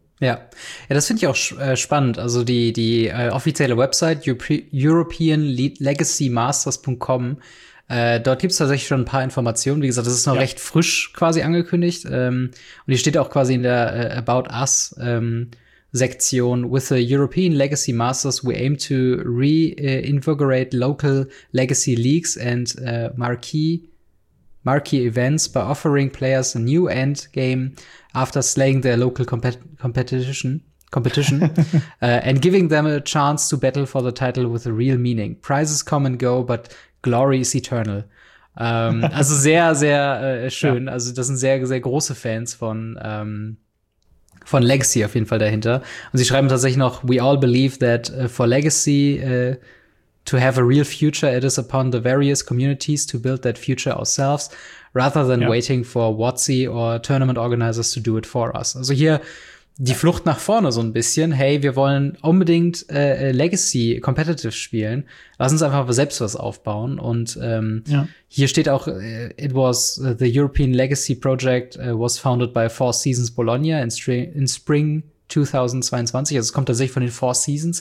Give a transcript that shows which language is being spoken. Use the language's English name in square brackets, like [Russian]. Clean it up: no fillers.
[German] Ja, ja, das finde ich auch spannend. Also die offizielle Website europeanlegacymasters.com, dort gibt es tatsächlich schon ein paar Informationen. Wie gesagt, das ist noch recht frisch quasi angekündigt. Und die steht auch quasi in der About Us Sektion. [English] With the European Legacy Masters, we aim to reinvigorate local legacy leagues and marquee events by offering players a new endgame after slaying their local competition and giving them a chance to battle for the title with a real meaning. Prizes come and go, but glory is eternal. [German] Also sehr, sehr schön. Ja. Also das sind sehr, sehr große Fans von Legacy auf jeden Fall dahinter. Und sie schreiben tatsächlich noch, [English] we all believe that for Legacy to have a real future, it is upon the various communities to build that future ourselves, rather than waiting for WotC or tournament organizers to do it for us. [German] Also hier die Flucht nach vorne so ein bisschen. Hey, wir wollen unbedingt Legacy competitive spielen. Lass uns einfach selbst was aufbauen. Und hier steht auch, [English] it was the European Legacy Project was founded by Four Seasons Bologna in Spring 2022, [German] also es kommt tatsächlich von den Four Seasons.